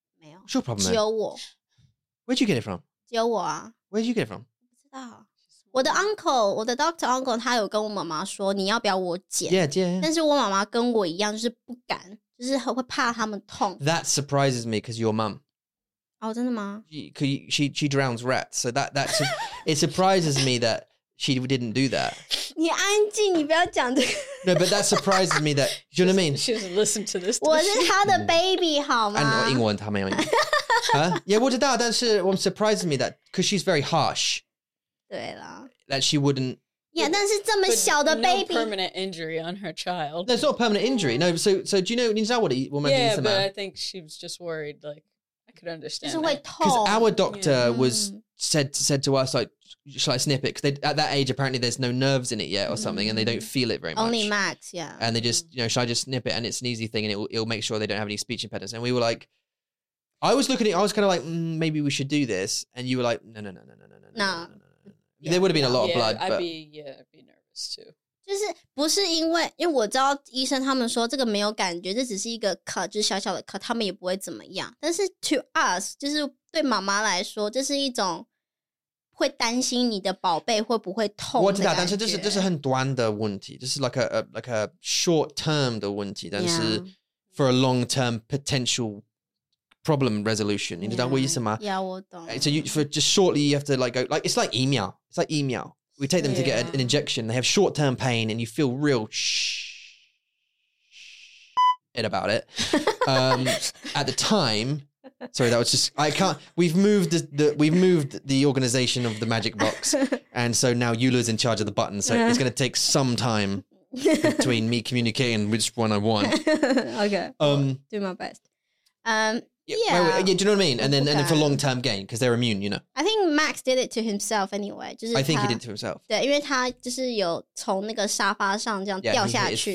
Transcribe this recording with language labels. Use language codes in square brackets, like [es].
[zh] 没有 [en] ，sure problem. [zh] 只有我。 [en] Where'd you get it from? [zh] 只有我啊。 [en] Where'd you get it from? [zh] 不知道。我的 uncle， 我的 doctor uncle， 他有跟我妈妈说，你要不要我剪 [en] ？Yeah, yeah. [zh] 但是我妈妈跟我一样，就是不敢，就是会怕他们痛。 [en] That surprises me because your mum. [zh] 哦，真的吗 [en] ？She drowns rats, so that it surprises me that she didn't do that. [zh] 你安静，你不要讲这个。 [en] No, but that surprises me that, do you know what I mean? She doesn't listen to this. [zh] 我是她的 baby, 好吗? And 英文她没有英文。 [en] Yeah, [zh] 我知道,但是 [en] it surprises me that, because she's very harsh. [zh] 对啦。 [en] That she wouldn't... [zh] Yeah, 但是这么小的 baby... [en] But no permanent injury on her child. No, it's not a permanent injury. No, so do you know, [zh] 你知道我的意思吗? [en] Yeah, but I think she was just worried, like, I could understand [zh] 就是会痛。 [en] Because our doctor was said to us, like,Shall I snip it? Because at that age, apparently there's no nerves in it yet or something, and they don't feel it very much. Only max, yeah. And they just, you know, shall I just snip it? And it's an easy thing, and it'll make sure they don't have any speech impediments. And we were like, I was looking at it, I was kind of like, maybe we should do this. And you were like, no. Yeah, there would have been a lot of blood. I'd be nervous too. [zh] 就是不是因为我知道医生他们说这个没有感觉，这只是一个 cut， 就是小小的 cut， 他们也不会怎么样。但是 [en] to us， [zh] 就是对妈妈来说，这是一种会担心你的宝贝会不会痛。我知道，但是这是很短的问题，就是 [en] like a short term [zh] 的问题，但是 [en] for a long term potential problem resolution， [zh] 你知道我意思吗？Yeah， 我懂。 [en] So you, for just shortly you have to like go like it's like 疫苗 ，it's like 疫苗。 We take them to get an injection. They have short-term pain and you feel real shit about it. at the time, sorry, that was just, I can't, we've moved the organization of the magic box. And so now Eula's in charge of the button. So it's going to take some time between me communicating which one I want. Okay. Do my best. Yeah, do you know what I mean? And then for long-term gain, because they're immune, you know. I think Max did it to himself anyway. I think he did it to himself. [zh] 对，因为他就是有从那个沙发上这样掉下去。